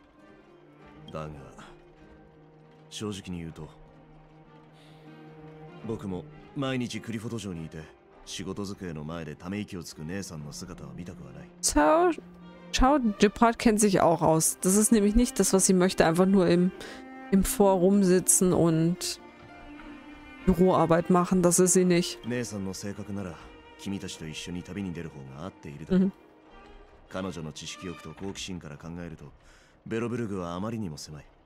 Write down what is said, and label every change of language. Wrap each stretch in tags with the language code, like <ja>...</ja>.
<ja>これは僕の憶測に過ぎない。それに僕は昔から姉さんの考えを推し量るのが苦手なんだ。君は姉さんと仲がいいようだから機会があれば直接聞くといい。だが 正直に言うと僕も毎日クリフォード城にいて仕事机の前でため息をつく姉さんの姿は見たくはない。</ja> <de>So, Chao Gepard kennt sich auch aus. Das ist nämlich nicht das, was sie möchte, einfach nur im Forum sitzen und Büroarbeit machen. Das ist sie nicht.</de> <ja>姉さんの性格なら君たちと一緒に旅に出る方が合っているだろう。彼女の知識欲と好奇心から考えるとベロブルグはあまりにも狭い。</ja>